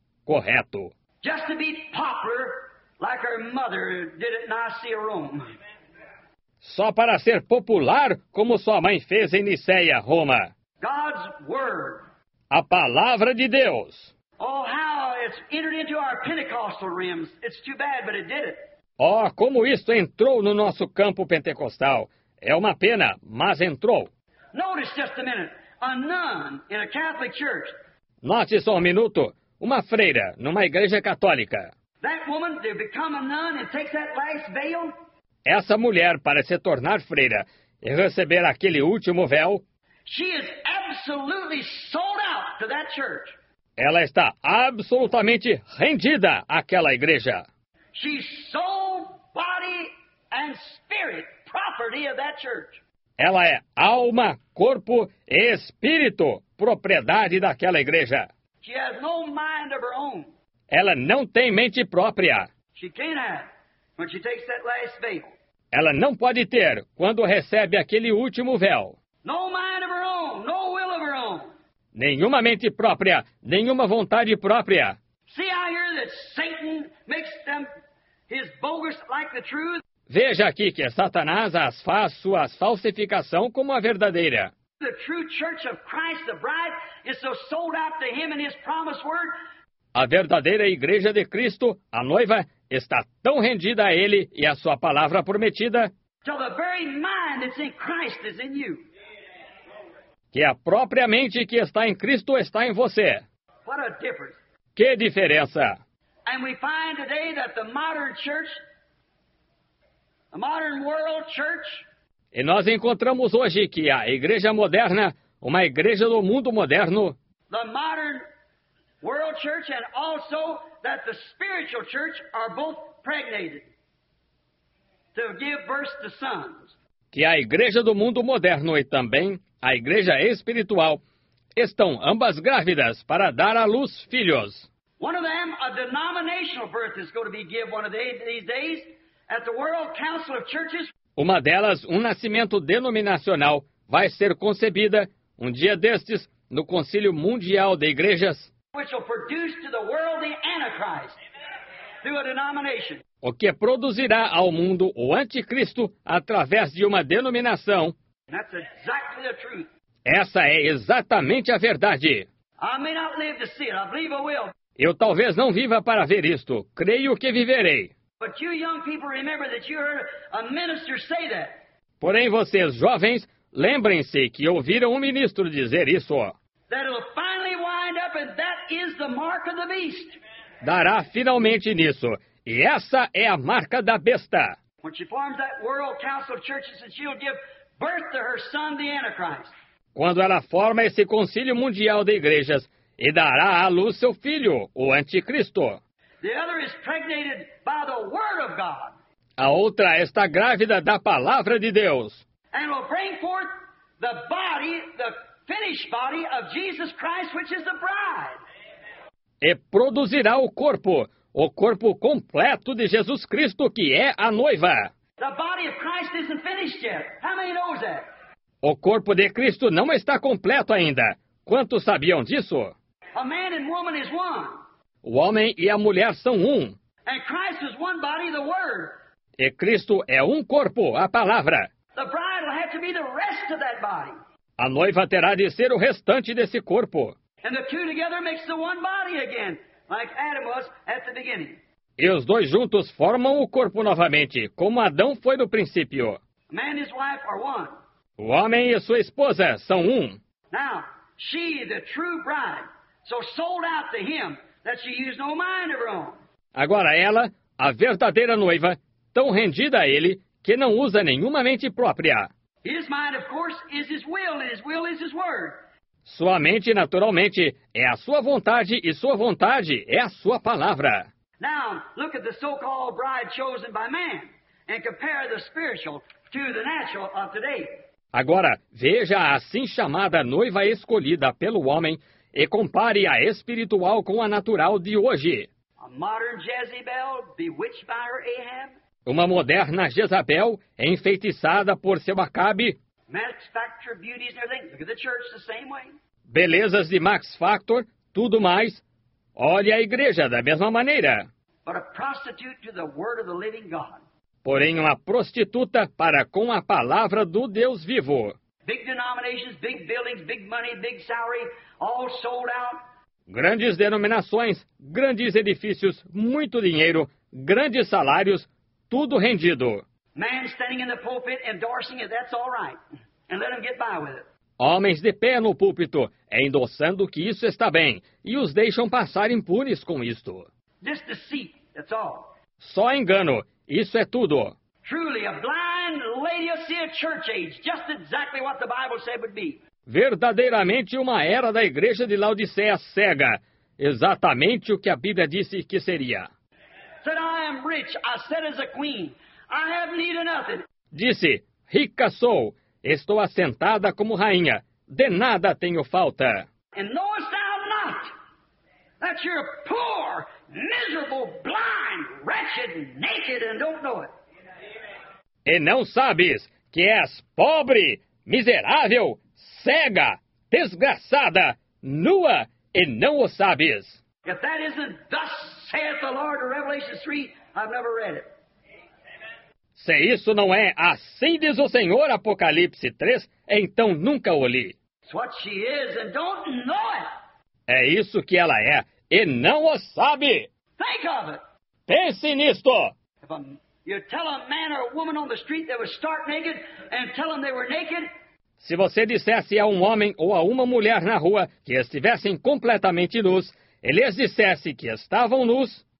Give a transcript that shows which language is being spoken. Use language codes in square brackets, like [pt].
[pt] Correto. [en] Just to be popular, like her mother did at Nicaea, Rome. [pt] Só para ser popular, como sua mãe fez em Nicéia, Roma. [en] God's word. [pt] A palavra de Deus. [en] Oh, how it's entered into our Pentecostal realms. It's too bad, but it did it. [pt] Oh, como isto entrou no nosso campo pentecostal. É uma pena, mas entrou. [en] Notice just a minute. A nun in a Catholic church. [pt] Note só um minuto. Uma freira numa igreja católica. [en] That woman, they become a nun and take that last veil. [pt] Essa mulher, para se tornar freira e receber aquele último véu, [en] she is absolutely sold out to that church. [pt] Ela está absolutamente rendida àquela igreja. [en] She sold body and spirit property of that church. [pt] Ela é alma, corpo e espírito, propriedade daquela igreja. [en] She has no mind of her own. [pt] Ela não tem mente própria. [en] She can't have when she takes that last veil. [pt] Ela não pode ter quando recebe aquele último véu. [en] No mind of her own, no will of her own. [pt] Nenhuma mente própria, nenhuma vontade própria. [en] See, I hear that Satan makes them his bogus like the truth. [pt] Veja aqui que Satanás as faz suas falsificação como a verdadeira. [en] The true church of Christ, the bride, is so sold out to him and his promised word. [pt] A verdadeira igreja de Cristo, a noiva, está tão rendida a ele e a sua palavra prometida. [en] Till the very mind that's in Christ is in you. [pt] Que a própria mente que está em Cristo está em você. [en] What a difference. [pt] Que diferença! [en] And we find today that the modern church, the modern world church, [pt] e nós encontramos hoje que a igreja moderna, uma igreja do mundo moderno, [en] the modern world church and also that the spiritual church are both pregnated to give birth to sons. [pt] Que a igreja do mundo moderno e também a igreja espiritual estão ambas grávidas para dar à luz filhos. [en] One of them, a denominational birth is going to be given one of these days at the World Council of Churches. [pt] Uma delas, um nascimento denominacional, vai ser concebida um dia destes no Concílio Mundial de Igrejas. [en] Which will produce to the world the Antichrist through a denomination. [pt] O que produzirá ao mundo o anticristo através de uma denominação. [en] That's exactly the truth. [pt] Essa é exatamente a verdade. [en] I may not live to see it. I believe I will. [pt] Eu talvez não viva para ver isto. Creio que viverei. [en] But you young people remember that you heard a minister say that. [pt] Porém, vocês jovens, lembrem-se que ouviram um ministro dizer isso. [en] That it'll finally wind up and that is the mark of the beast. [pt] Dará finalmente nisso. E essa é a marca da besta. [en] When she forms that world council of churches and she'll give birth to her son, the Antichrist. [pt] Quando ela forma esse concílio mundial de igrejas e dará à luz seu filho, o anticristo. [en] The other is pregnated by the word of God. [pt] A outra está grávida da palavra de Deus. [en] And will bring forth the body, the finished body of Jesus Christ, which is the bride. [pt] E produzirá o corpo completo de Jesus Cristo, que é a noiva. [en] The body of Christ isn't finished yet. How many knows that? [pt] O corpo de Cristo não está completo ainda. Quantos sabiam disso? [en] A man and woman is one. [pt] O homem e a mulher são um. [en] And Christ is one body, the word. [pt] E Cristo é um corpo, a palavra. [en] The bride will have to be the rest of that body. [pt] A noiva terá de ser o restante desse corpo. [en] And the two together makes the one body again, like Adam was at the beginning. [pt] E os dois juntos formam o corpo novamente, como Adão foi no princípio. [en] Man and his wife are one. [pt] O homem e sua esposa são um. [en] Now, she, the true bride, so sold out to him that she used no mind of her own. [pt] Agora ela, a verdadeira noiva, tão rendida a ele que não usa nenhuma mente própria. [en] His mind, of course, is his will, and his will is his word. [pt] Sua mente, naturalmente, é a sua vontade e sua vontade é a sua palavra. [en] Now, look at the so-called bride chosen by man and compare the spiritual to the natural of today. [pt] Agora, veja a assim chamada noiva escolhida pelo homem e compare a espiritual com a natural de hoje. [en] A modern Jezebel, bewitched by her Ahab. [pt] Uma moderna Jezabel, enfeitiçada por seu Acabe. [en] Max Factor beauties, everything. Look at the church the same way. [pt] Belezas de Max Factor, tudo mais. Olhe a igreja da mesma maneira. [en] But a prostitute to the word of the living God. [pt] Porém, uma prostituta para com a palavra do Deus vivo. [en] Big denominations, big buildings, big money, big salary, all sold out. [pt] Grandes denominações, grandes edifícios, muito dinheiro, grandes salários, tudo rendido. [en] Man standing in the pulpit endorsing it, that's all right. And let him get by with it. [pt] Homens de pé no púlpito, endossando que isso está bem, e os deixam passar impunes com isto. [en] Just deceit, that's all. [pt] Só engano. Isso é tudo. [en] Truly a blind Laodicea church age, just exactly what the Bible said would be. [pt] Verdadeiramente uma era da igreja de Laodiceia cega, exatamente o que a Bíblia disse que seria. [en] Said, I am rich, I said as a queen, I have need of nothing. [pt] Disse, rica sou, estou assentada como rainha, de nada tenho falta. [en] And knowest thou not that you're poor, miserable, blind, wretched, naked, and don't know it. [pt] E não sabes que és pobre, miserável, cega, desgraçada, nua, e não o sabes. [en] If that isn't thus saith the Lord in Revelation 3, I've never read it. [pt] Se isso não é assim diz o Senhor, Apocalipse 3, então nunca o li. [en] It's what she is and don't know it. [pt] É isso que ela é. E não o sabe. [en] Think of it. [pt] Pense nisto. [en] If you tell a man or a woman on the street they were stark naked and tell them they were naked. [pt] Se você dissesse a um homem ou a uma mulher na rua que estivessem completamente nus, eles dissessem que estavam nus.